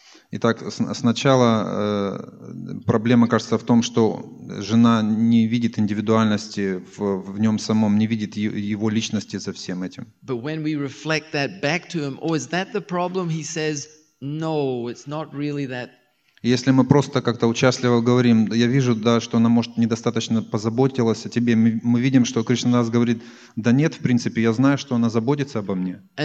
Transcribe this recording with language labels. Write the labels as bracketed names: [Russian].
[Russian] Итак, сначала проблема, кажется, в том, что жена не видит индивидуальности в нем самом, не видит его личности за всем этим. [English] But when we reflect that back to him, oh, is that the problem? He says, no, it's not really that. [Russian] Если мы просто как-то участливо говорим, я вижу, да, что она, может, недостаточно позаботилась о тебе. Мы видим, что Кришнадас говорит, да нет, в принципе, я знаю, что она заботится обо мне.